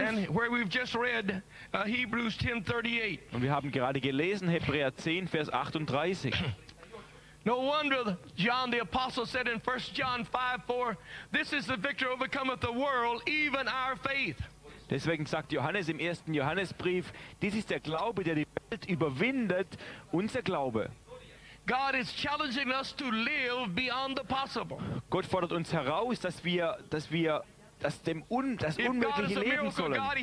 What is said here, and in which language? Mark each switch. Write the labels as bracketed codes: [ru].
[en] And where we've just read Hebrews 10:38. [de] Und wir haben gerade gelesen Hebräer 10 Vers 38. [en] No wonder John the Apostle said in 1 John 5:4, this is the victory overcometh the world, even our faith. [de] Deswegen sagt Johannes im 1. Johannesbrief, dies ist der Glaube, der die Welt überwindet, unser Glaube. [en] God is challenging us to live beyond the possible. [de] Gott fordert uns heraus, dass wir das dem das unmögliche Leben sollen.